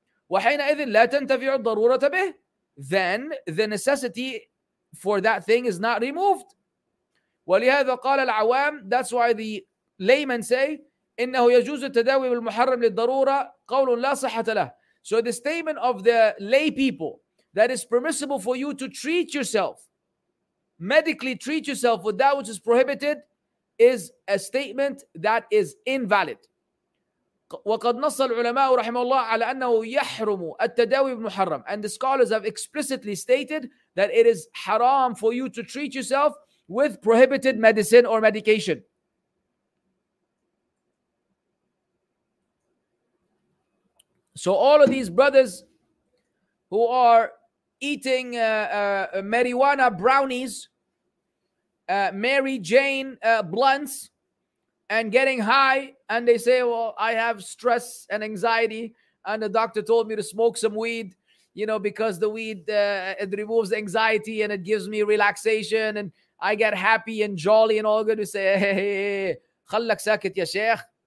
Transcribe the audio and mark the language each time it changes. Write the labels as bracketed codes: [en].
[ar] وحينئذ لا تنتفع الضرورة به. [en] Then the necessity for that thing is not removed. [ar] ولهذا قال العوام, [en] that's why the layman say, [ar] إنه يجوز التداوي بالمحرم للضرورة قول لا صحة له. [en] So the statement of the lay people, that is permissible for you to treat yourself, medically treat yourself with that which is prohibited, is a statement that is invalid. [ar] وقد نص العلماء رحمه الله على أنه يحرم التداوي بالمحرم. [en] And the scholars have explicitly stated that it is haram for you to treat yourself with prohibited medicine or medication. So all of these brothers who are eating marijuana brownies, Mary Jane blunts, and getting high, and they say, well, I have stress and anxiety, and the doctor told me to smoke some weed, you know, because the weed, it removes anxiety and it gives me relaxation and I get happy and jolly and all good. We say, hey, [ar] خلك ساكت يا شيخ.